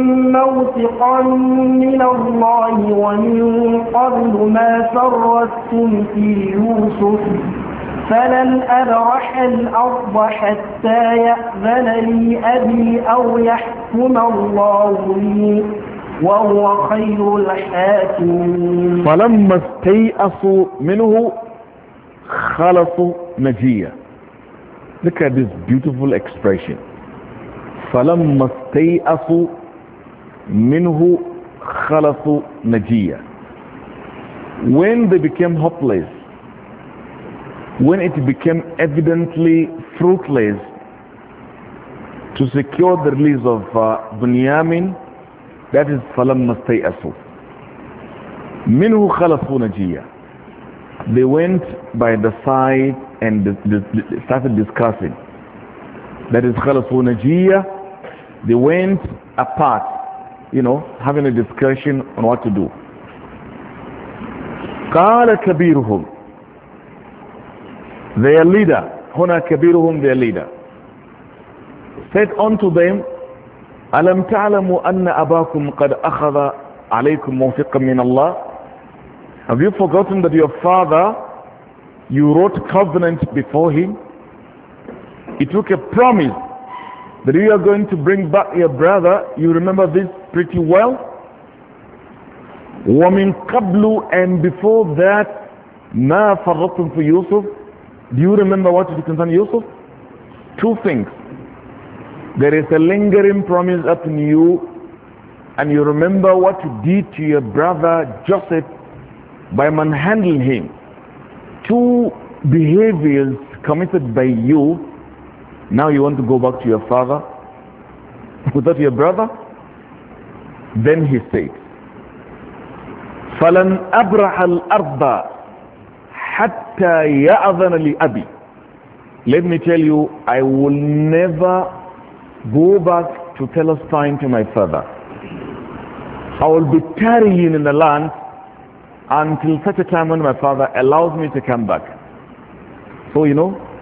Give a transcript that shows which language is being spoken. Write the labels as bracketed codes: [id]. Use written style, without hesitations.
[ar] موثقا من الله ومن قبل ما فرطتم في يوسف فلن أبرح الأرض حتى يأذن لي أبي أو يحكم الله لي وهو خير الحاكمين. فلما استيأسوا منه خلصوا نجيا. [en] Look at this beautiful expression. [ar] فلما استيأسوا منه خلصوا نجيا. [en] When they became hopeless, when it became evidently fruitless to secure the release of Bunyamin, that is [ar] فَلَمَّا اسْتَيْأَسُوا مِنْهُ خَلَصُوا نَجِيَّا. [en] They went by the side and started discussing. That is [ar] خَلَصُوا نَجِيَّا. [en] They went apart, you know, having a discussion on what to do. [ar] قَالَ كَبِيرُهُمْ. [en] Their leader, [ar] هُنَا كَبِيرُهُمْ, [en] their leader, said unto them, [ar] أَلَمْ تَعْلَمُوا أَنَّ أَبَاكُمْ قَدْ أَخَذَ عَلَيْكُمْ مَوْثِقًا مِّنَ اللَّهِ. [en] Have you forgotten that your father, you wrote covenant before him? He took a promise that you are going to bring back your brother. You remember this pretty well. [ar] وَمِنْ قَبْلُ, [en] and before that, [ar] مَا فَرَّطْتُمْ فِي يُوسُفْ. [en] Do you remember what it concerns Yusuf? Two things. There is a lingering promise upon you, and you remember what you did to your brother Joseph by manhandling him. Two behaviors committed by you. Now you want to go back to your father without your brother? Then he said, [ar] فَلَنْ أَبْرَحَ الْأَرْضَ حَتَّى يَأَذَنَ لِأَبِي. [en] Let me tell you, I will never go back to Palestine to my father. I will be tarrying in the land until such a time when my father allows me to come back. So you know,